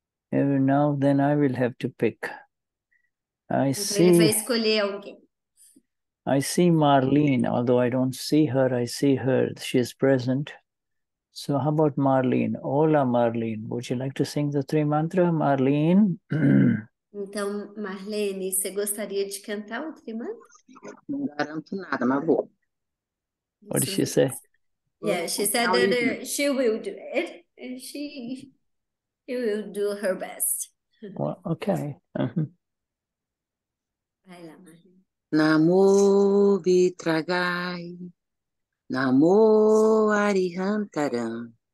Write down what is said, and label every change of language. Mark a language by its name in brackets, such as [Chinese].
[English] And now then I will have to pick. I [Portuguese] então [English] see, [Portuguese] ele vai escolher alguém. [English] I see Marlene, although I don't see her, I see her. She is present. So how about Marlene? Hola Marlene. Would you like to sing the three mantra, Marlene? [Portuguese] Então, Marlene, você gostaria de cantar o trimantra? Não garanto nada, mas vou. [English] What did she say? Yeah, she said that she will do it. And she will do her best. Well, okay. [Portuguese] Vai lá, Marlene. [Prakrit languages] Namo Vitragai. Namo Arihantaram.